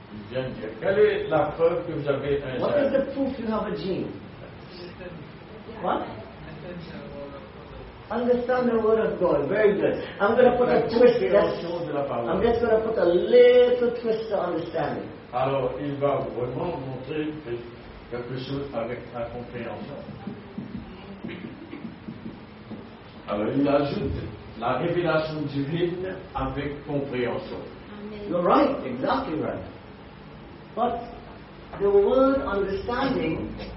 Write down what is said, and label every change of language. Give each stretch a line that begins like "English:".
French: Quelle est la preuve que vous avez un gène?
English: What is the proof you have a gene? What? Understand the word of God. Very good. I'm going to put a twist. I'm just going to put a little twist to understanding.
French: Alors, il va vraiment montrer quelque chose avec la compréhension. Alors, il ajoute. La révélation divine avec compréhension.
English: Amen. You're right, exactly right. But the word understanding,